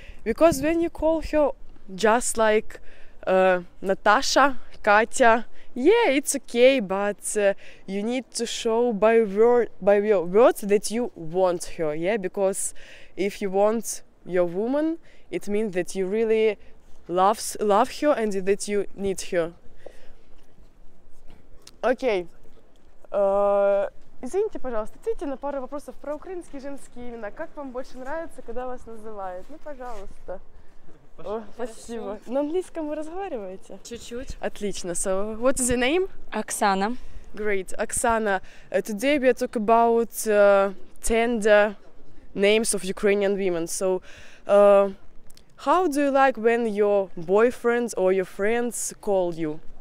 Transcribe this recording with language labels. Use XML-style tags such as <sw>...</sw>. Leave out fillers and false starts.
<en>Because when you call her just like Natasha, Katya, yeah, it's okay, but you need to show by your words that you want her, yeah? Because if you want your woman, it means that you really love her and that you need her.</en> <ru>Окей. Извините, пожалуйста, ответьте на пару вопросов про украинские женские имена. Как вам больше нравится, когда вас называют? Ну, пожалуйста. О, спасибо. На английском вы разговариваете? Чуть-чуть. Отлично.</ru> <en>So, what is your name?</en> <ru>Оксана.</ru> <en>Great. Оксана, today we talk about tender names of Ukrainian women. So, how do you like when your boyfriend or your friends call you?</en>